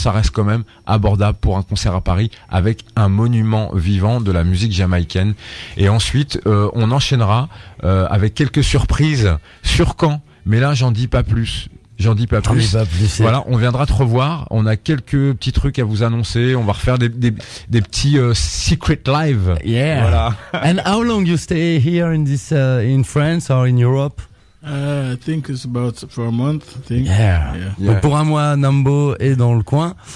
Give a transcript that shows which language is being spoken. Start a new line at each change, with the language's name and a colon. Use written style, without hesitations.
French: Ça reste quand même abordable pour un concert à Paris avec un monument vivant de la musique jamaïcaine. Et ensuite, on enchaînera avec quelques surprises sur Caen. Mais là, j'en dis pas plus. J'en dis pas plus. J'en dis pas plus. Voilà, on viendra te revoir. On a quelques petits trucs à vous annoncer. On va refaire des petits secret live. Yeah. Voilà.
English: And how long you stay here in this in France or in Europe? I think it's about for a month, I think. Yeah. Yeah. Yeah.
French: Donc pour un mois, Nambo est dans le coin.